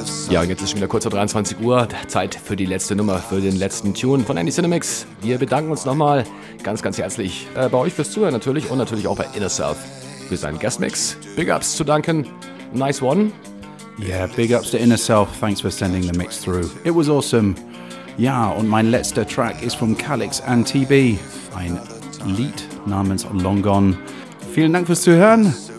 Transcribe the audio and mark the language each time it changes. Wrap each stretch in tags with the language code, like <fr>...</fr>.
<de>Ja, und jetzt ist schon wieder kurz vor 23 Uhr. Zeit für die letzte Nummer, für den letzten Tune von Andy Cinemix. Wir bedanken uns nochmal ganz, ganz herzlich bei euch fürs Zuhören natürlich und natürlich auch bei Inner Self für seinen Guestmix.</de> <en>Big Ups zu danken. Nice one. Yeah, big ups to Inner Self. Thanks for sending the mix through. It was awesome.</en> <de>Ja, und mein letzter Track ist von Calix and TB. Ein Lied namens Long Gone. Vielen Dank fürs Zuhören.</de>